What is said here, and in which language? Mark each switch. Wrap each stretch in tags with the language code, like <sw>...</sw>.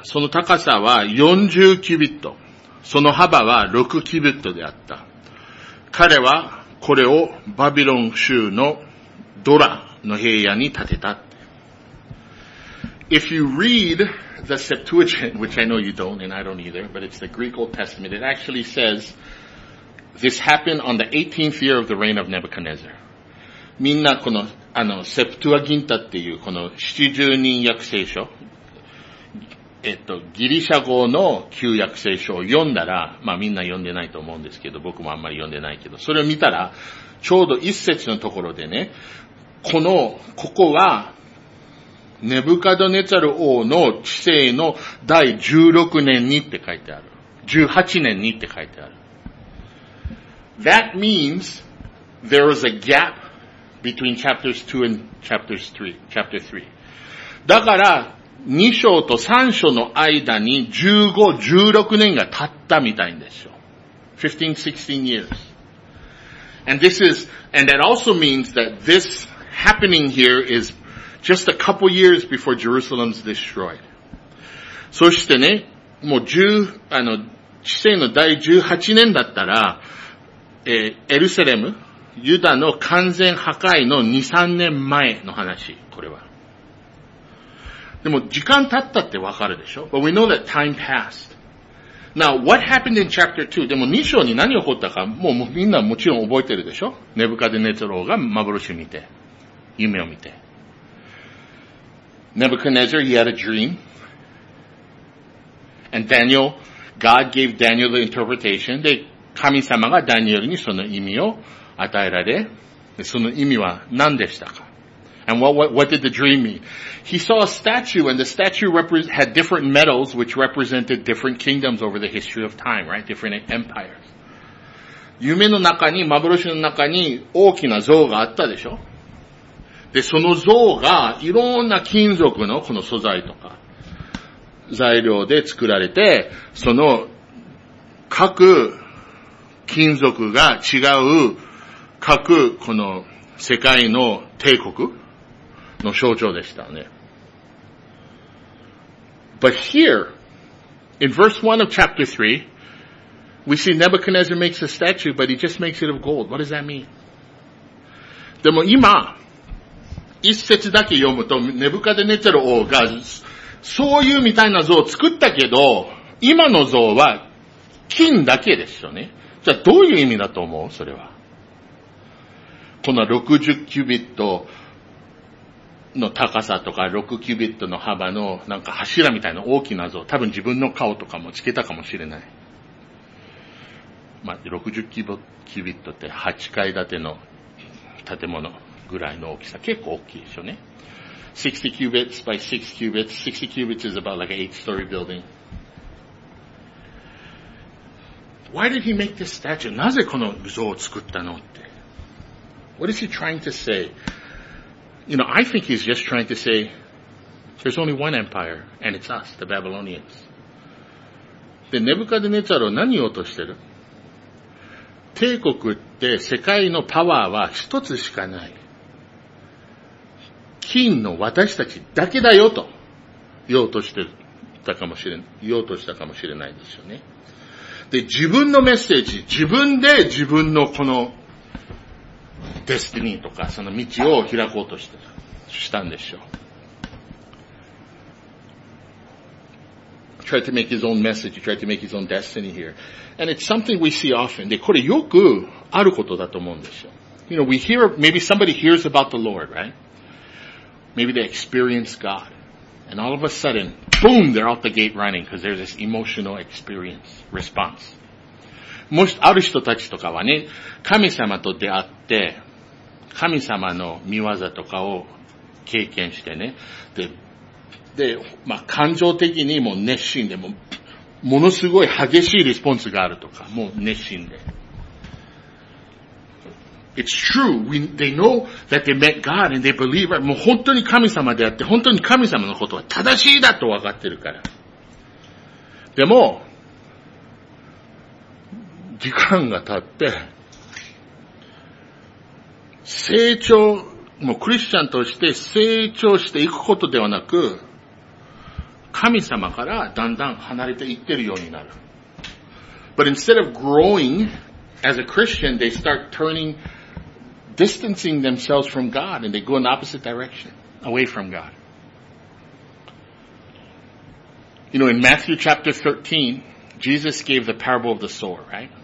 <ja>その高さは40キュビット。その幅は6キュビットであった。彼はこれをバビロン州のドラの平野に建てた。</ja> <en>If you read the Septuagint, which I know you don't and I don't either, but it's the Greek Old Testament, it actually says this happened on the 18th year of the reign of Nebuchadnezzar.</en> <ja>みんなこのセプトゥアギンタっていうこの70人訳聖書、ギリシャ語の旧約聖書を読んだら、まあみんな読んでないと思うんですけど、僕もあんまり読んでないけど、それを見たら、ちょうど一節のところでね、ここは、ネブカドネツァル王の治世の第16年にって書いてある。 18年にって書いてある。</ja> <en>That means there is a gap between chapters 2 and chapter 3.</en> <ja>だから、2章と3章の間に15、16年が経ったみたいんですよ。</ja> <en>15, 16 years. And that also means that this happening here isJust a couple years before Jerusalem's destroyed.</en> <ja>そしてね、もう治世の第18年だったら、エルサレム、ユダの完全破壊の2、3年前の話、これは。でも時間経ったってわかるでしょ？</ja> <en>But we know that time passed. Now, what happened in chapter 2?</en> <ja>でも2章に何が起こったか、もうみんなもちろん覚えてるでしょ？ネブカデネツロが幻を見て、夢を見て。</ja> <en>Nebuchadnezzar, he had a dream. And Daniel, God gave Daniel the interpretation.</en> <ja>で、神様がダニエルにその意味を与えられ、その意味は何でしたか？</ja> <en>And what did the dream mean? He saw a statue, and the statue had different metals, which represented different kingdoms over the history of time, right? Different empires.</en> <ja>夢の中に、幻の中に大きな像があったでしょ？で、その像がいろんな金属のこの素材とか材料で作られて、その各金属が違う各この世界の帝国の象徴でしたね。</ja> <en>But here, in verse 1 of chapter 3, we see Nebuchadnezzar makes a statue, but he just makes it of gold. What does that mean?</en> <ja>でも今、一節だけ読むと、ネブカデネツェル王が、そういうみたいな像を作ったけど、今の像は金だけですよね。じゃあどういう意味だと思う？それは。この60キュビットの高さとか、6キュビットの幅のなんか柱みたいな大きな像、多分自分の顔とかもつけたかもしれない。まあ、60キュビットって8階建ての建物。ぐらいの大きさ。結構大きいでしょうね。</ja> <en>60 cubits by 6 cubits. 60 cubits is about like an 8-story building. Why did he make this statue?</en> <ja>なぜこの像を作ったのって。</ja> <en>What is he trying to say? You know, I think he's just trying to say, there's only one empire, and it's us, the Babylonians.</en> <ja>で、ネブカデネツァルは何を落としてる？帝国って世界のパワーは一つしかない。金の私たちだけだよと言おうとしてたかもしれ、言おうとしたかもしれないですよね。で、自分のメッセージ、自分で自分のこのデスティニーとかその道を開こうとしてたんでしょう。</ja> <en>Try to make his own message, try to make his own destiny here. And it's something we see often.</en> <ja>で、これよくあることだと思うんですよ。</ja> <en>You know, we hear, maybe somebody hears about the Lord, right? Maybe they experience God. And all of a sudden, boom, they're out the gate running because there's this emotional experience, response.</en> <ja>もしある人たちとかはね、神様と出会って、神様の見業とかを経験してね、で、まあ、感情的にもう熱心で、もう、ものすごい激しいリスポンスがあるとか、もう熱心で。</ja> <en>It's true. They know that they met God and they believe.</en> <ja>もう本当に神様であって、本当に神様のことは正しいだと分かってるから。でも、時間が経って、成長、もうクリスチャンとして成長していくことではなく、神様からだんだん離れていってるようになる。</ja> <en>But instead of growing as a Christian, they start turningDistancing themselves from God and they go in the opposite direction, away from God. You know, in Matthew chapter 13, Jesus gave the parable of the sower, right?</en>